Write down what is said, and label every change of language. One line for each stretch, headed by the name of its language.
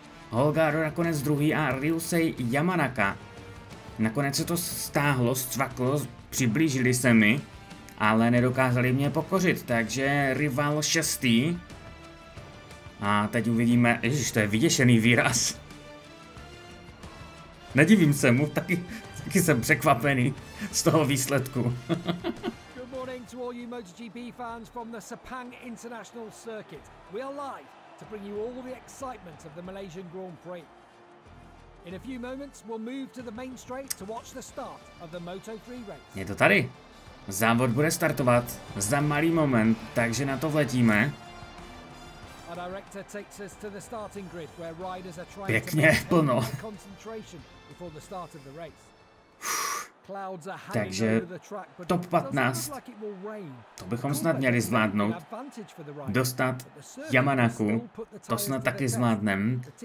Czech: Holgado nakonec druhý a Ryusei Yamanaka. Nakonec se to stáhlo, zcvaklo, přiblížili se mi, ale nedokázali mě pokořit, takže rival šestý. A teď uvidíme, ježiš, to je vyděšený výraz. Nedivím se mu, taky jsem překvapený z toho výsledku.
English: To all you MotoGP fans from the Sepang International Circuit. We are live to bring you all the excitement of the Malaysian Grand Prix. In a few moments we'll move to the main straight to watch the start of the Moto3 race.
Czech: Je to tady. Závod bude startovat za malý moment, takže na to vletíme.
English: Our director takes us to the starting grid where riders are trying
Czech: pěkně,
English: to make their concentration before the start of the race.
Czech: Takže top 15, to bychom snad měli zvládnout, dostat Yamanaku, to snad taky zvládnem.